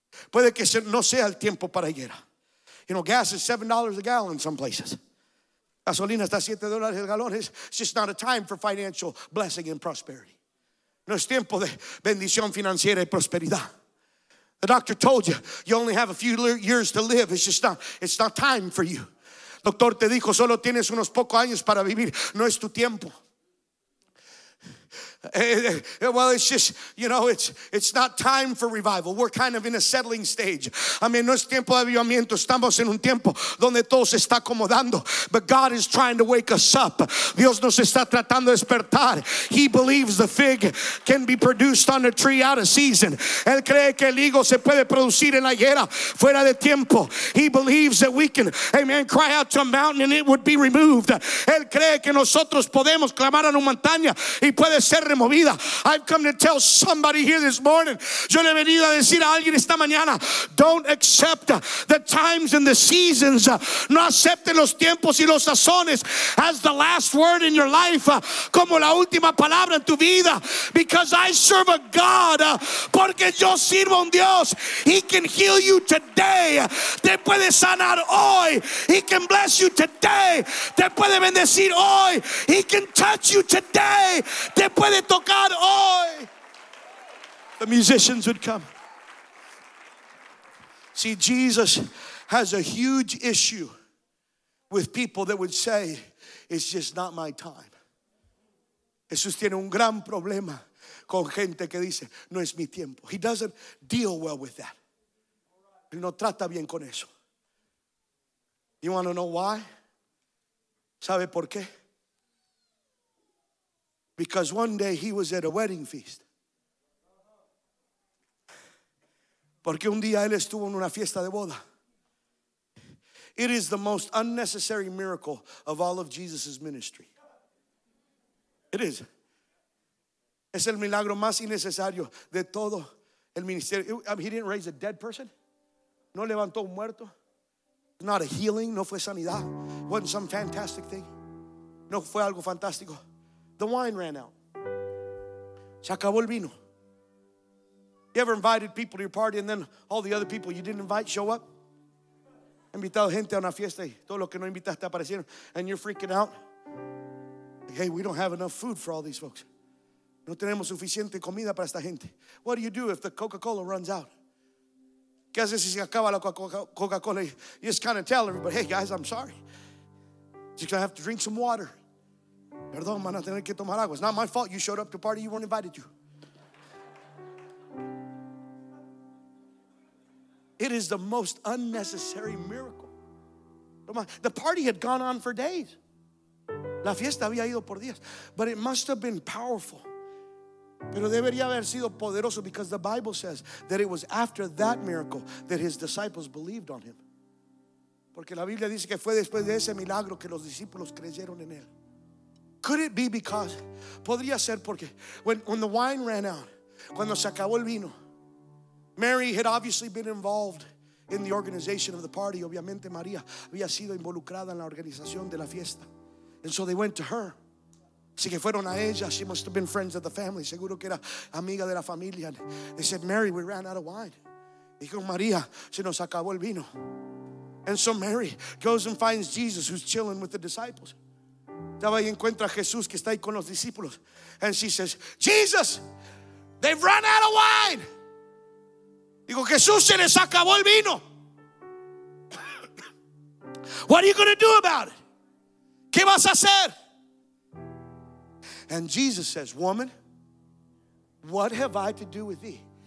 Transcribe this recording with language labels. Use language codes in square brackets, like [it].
[es] Puede que no sea el tiempo para higuera. [en] You know, gas is $7 a gallon in some places. [es] Gasolina está $7 el galón. [en] It's just not a time for financial blessing and prosperity. [es] No es tiempo de bendición financiera y prosperidad. [en] The doctor told you, you only have a few years to live. It's not time for you. [es] Doctor te dijo, solo tienes unos pocos años para vivir. No es tu tiempo. [en] Well, it's just, you know, it's not time for revival. We're kind of in a settling stage. I mean, [es] no es tiempo de avivamiento. Estamos en un tiempo donde todo se está acomodando. [en] But God is trying to wake us up. [es] Dios nos está tratando de despertar. [en] He believes the fig can be produced on a tree out of season. [es] Él cree que el higo se puede producir en la higuera fuera de tiempo. [en] He believes that we can, amen, cry out to a mountain and it would be removed. [es] Él cree que nosotros podemos clamar a una montaña y puede ser removida. [en] I've come to tell somebody here this morning. [es] Yo le he venido a decir a alguien esta mañana. [en] Don't accept the times and the seasons. [es] No acepten los tiempos y los sazones [en] as the last word in your life. [es] Como la última palabra en tu vida. [en] Because I serve a God. [es] Porque yo sirvo un Dios. [en] He can heal you today. [es] Te puede sanar hoy. [en] He can bless you today. [es] Te puede bendecir hoy. [en] He can touch you today. [es] Te puede tocar hoy. [en] The musicians would come. See, Jesus has a huge issue with people that would say, it's just not my time. [es] Jesús tiene un gran problema con gente que dice, no es mi tiempo. [en] He doesn't deal well with that. [es] Él no trata bien con eso. [en] You want to know why? [es] ¿Sabe por qué? [en] Because one day he was at a wedding feast. [es] Porque un día él estuvo en una fiesta de boda. [en] It is the most unnecessary miracle of all of Jesus' ministry. It is. [es] Es el milagro más innecesario de todo el ministerio. [en] He didn't raise a dead person. [es] No levantó un muerto. [en] Not a healing. [es] No fue sanidad. [en] Wasn't some fantastic thing. [es] No fue algo fantástico. [en] The wine ran out. [es] Se acabó el vino. [en] You ever invited people to your party and then all the other people you didn't invite show up? [es] Invitado gente a una fiesta y todo lo que no invitaste aparecieron. [en] And you're freaking out. Hey, we don't have enough food for all these folks. [es] No tenemos suficiente comida para esta gente. [en] What do you do if the Coca-Cola runs out? [es] ¿Qué haces si se acaba la Coca-Cola? [en] You just kind of tell everybody, hey, guys, I'm sorry. Just going to have to drink some water. [es] Perdón, van a tener que tomar agua. [en] It's not my fault you showed up to a party you weren't invited to. It is the most unnecessary miracle. The party had gone on for days. [es] La fiesta había ido por días. [en] But it must have been powerful. [es] Pero debería haber sido poderoso [en] because the Bible says that it was after that miracle that his disciples believed on him. [es] Porque la Biblia dice que fue después de ese milagro que los discípulos creyeron en él. [en] Could it be because, [es] podría ser porque, [en] when the wine ran out, [es] cuando se acabó el vino, [en] Mary had obviously been involved in the organization of the party. [es] Obviamente, María había sido involucrada en la organización de la fiesta. [en] And so they went to her. [es] Así que fueron a ella. [en] She must have been friends of the family. [es] Seguro que era amiga de la familia. [en] They said, Mary, we ran out of wine. [es] Dijo, María, se nos acabó el vino. [en] And so Mary goes and finds Jesus, who's chilling with the disciples. [es] Estaba ahí, encuentra a Jesús que está ahí con los discípulos. [en] And she says, Jesus, they've run out of wine. [es] Digo, Jesús, se les acabó el vino. [en] What are you going to do about it? [es] ¿Qué vas a hacer? [en] And Jesus says, woman, what have I to do with thee?